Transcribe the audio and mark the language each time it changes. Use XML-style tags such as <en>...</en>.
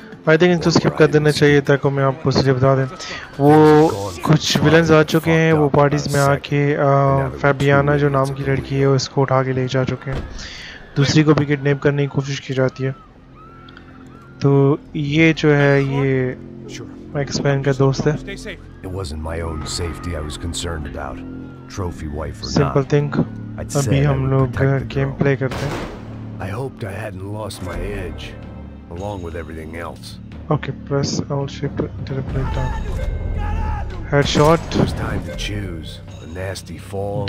<en>I think</en> <hi>इनको skip कर देना चाहिए था, को मैं आपको सीधे बता दें। वो कुछ विलन्स आ चुके हैं, वो पार्टीज में आके फैबियाना जो नाम की लड़की है उसको उठा के ले जा चुके हैं, दूसरी को भी किडनैप करने की कोशिश की जाती है। तो ये जो है ये मैक्स पेन का दोस्त है।</hi> <en>It wasn't my own safety I was concerned about. Trophy wife or not. Simple thing.</en> <hi>अभी हम लोग गेम प्ले करते हैं।</hi> <en>I hoped I hadn't lost my edge. Along with everything else. Okay, press Alt Shift to play down. Headshot. It's time to choose a nasty fall.</en>